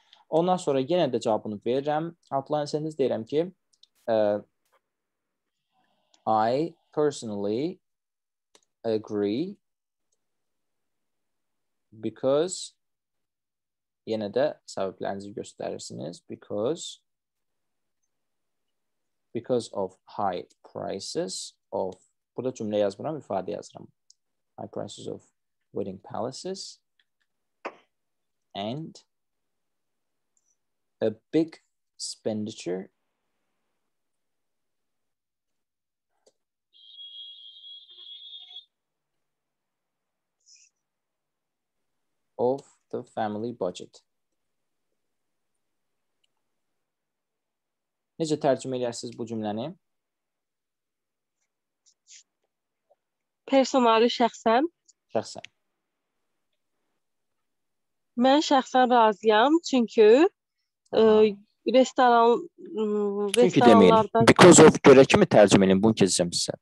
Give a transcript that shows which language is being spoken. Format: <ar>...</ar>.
<az>Ondan sonra yenə də cavabını verirəm. Outline sentence deyirəm ki,</az> <en>I personally agree because,</en> <az>yenə də səbəblərinizi göstərirsiniz,</az> <en>because of high prices of.</en> <az>Burada cümlə yazmıram, ifadə yazıram.</az> <en>High prices of wedding palaces and a big expenditure of the family budget.</en> <az>Necə tərcümə edərsiniz bu cümləni? Personali şəxsən. Şəxsən. Mən şəxsən razıyam, çünki Çünki deməyin, because of görə kimi tərcümə edin, bunu keçəcəm sizə.</az>